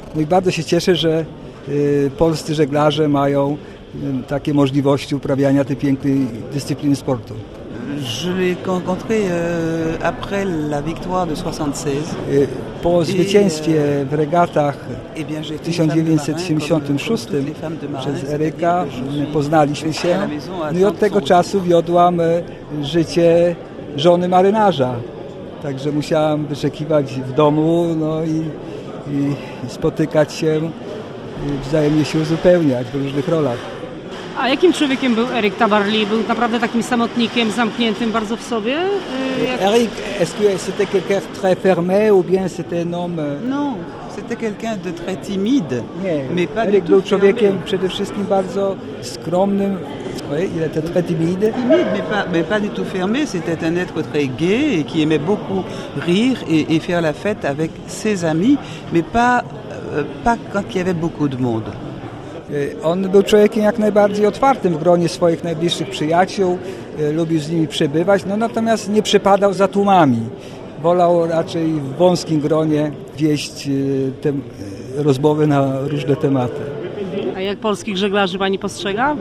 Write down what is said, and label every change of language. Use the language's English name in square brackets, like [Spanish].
[Polish] No i bardzo się cieszę, że polscy żeglarze mają takie możliwości uprawiania tej pięknej dyscypliny sportu. [French] Je l'ai rencontré après la victoire de 76. [Polish] Po zwycięstwie w regatach w 1976 przez Eryka poznaliśmy się. No i od tego czasu wiodłam życie żony marynarza. Także musiałam wyczekiwać w domu, no i spotykać się, wzajemnie się uzupełniać w różnych rolach. A jakim człowiekiem był Eric Tabarly? Był naprawdę takim samotnikiem, zamkniętym bardzo w sobie? [French] Eric, est-ce que c'était quelqu'un très fermé ou bien c'était un homme? Non, c'était quelqu'un de très timide. [Polish] Nie, [French] mais pas [Polish] Eric du był człowiekiem [French] fermé. [Polish] Przede wszystkim bardzo skromnym. [French] Oui, il était très timide. Timide, mais pas du tout fermé. C'était un être très gay et qui aimait beaucoup rire et faire la fête avec ses amis, mais pas quand il y avait beaucoup de monde. [Polish] On był człowiekiem jak najbardziej otwartym w gronie swoich najbliższych przyjaciół, lubił z nimi przebywać, no natomiast nie przepadał za tłumami. Wolał raczej w wąskim gronie wieść te rozmowy na różne tematy. A jak polskich żeglarzy pani postrzega?